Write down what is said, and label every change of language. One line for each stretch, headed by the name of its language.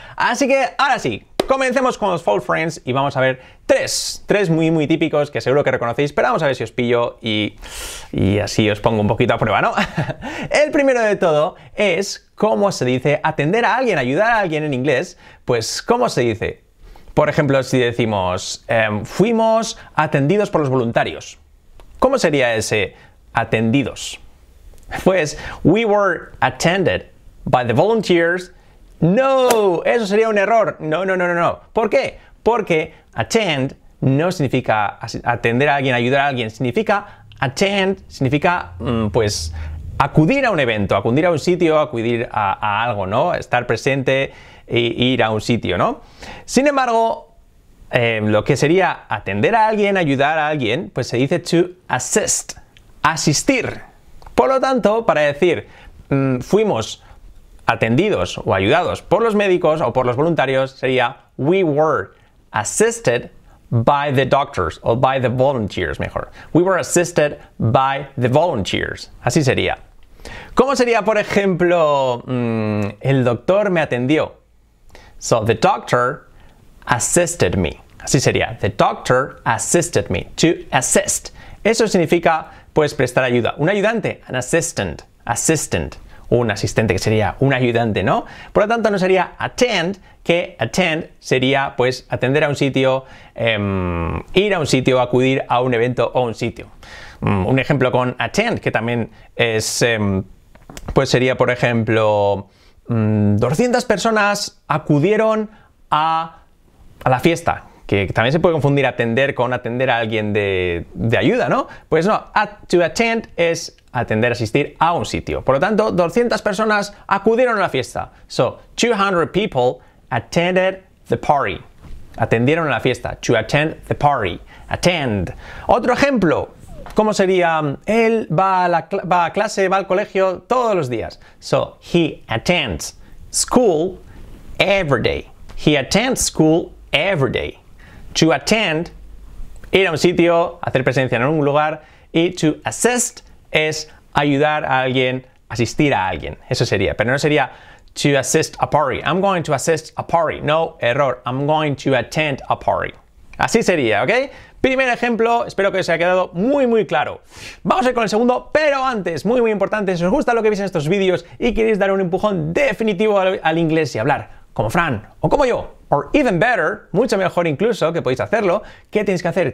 Spanish: Así que ahora sí, comencemos con los false friends y vamos a ver tres muy, muy típicos que seguro que reconocéis, pero vamos a ver si os pillo y así os pongo un poquito a prueba, ¿no? El primero de todo es, ¿cómo se dice atender a alguien, ayudar a alguien en inglés? Pues, ¿cómo se dice? Por ejemplo, si decimos, fuimos atendidos por los voluntarios. ¿Cómo sería ese atendidos?
English: Pues, we were attended by the volunteers.
Spanish: ¡No! Eso sería un error. No, no, no, no, no. ¿Por qué? Porque attend no significa atender a alguien, ayudar a alguien. Significa attend, significa, pues, acudir a un evento, acudir a un sitio, acudir a algo, ¿no? Estar presente e ir a un sitio, ¿no? Sin embargo, lo que sería atender a alguien, ayudar a alguien, pues se dice to assist, asistir. Por lo tanto, para decir fuimos atendidos o ayudados por los médicos o por los voluntarios, sería
English: we were assisted by the doctors o by the volunteers,
Spanish: mejor.
English: We were assisted by the volunteers.
Spanish: Así sería. ¿Cómo sería, por ejemplo, el doctor me atendió?
English: So, the doctor assisted me.
Spanish: Así sería.
English: The doctor assisted me. To assist.
Spanish: Eso significa, pues, prestar ayuda. Un ayudante.
English: An assistant.
Spanish: Assistant. Un asistente, que sería un ayudante, ¿no? Por lo tanto, no sería attend, que attend sería, pues, atender a un sitio, ir a un sitio, acudir a un evento o un sitio. Un ejemplo con attend, que también es, pues, sería, por ejemplo, 200 personas acudieron a la fiesta, que también se puede confundir atender con atender a alguien de ayuda, ¿no? Pues no, to attend es atender, asistir a un sitio. Por lo tanto, 200 personas acudieron a la fiesta.
English: So, 200 people attended the party.
Spanish: Atendieron a la fiesta.
English: To attend the party.
Spanish: Attend. Otro ejemplo. ¿Cómo sería? Él va a clase, va al colegio todos los días.
English: So, he attends school every day. He attends school every day.
Spanish: To attend, ir a un sitio, hacer presencia en un lugar. Y to assist es ayudar a alguien, asistir a alguien. Eso sería. Pero no sería to assist a party.
English: I'm going to assist a party. No, error. I'm going to attend a party.
Spanish: Así sería, ¿ok? Primer ejemplo, espero que os haya quedado muy, muy claro. Vamos a ir con el segundo, pero antes, muy, muy importante, si os gusta lo que veis en estos vídeos y queréis dar un empujón definitivo al inglés y hablar como Fran o como yo,
English: or even better,
Spanish: mucho mejor incluso, que podéis hacerlo, ¿qué tenéis que hacer?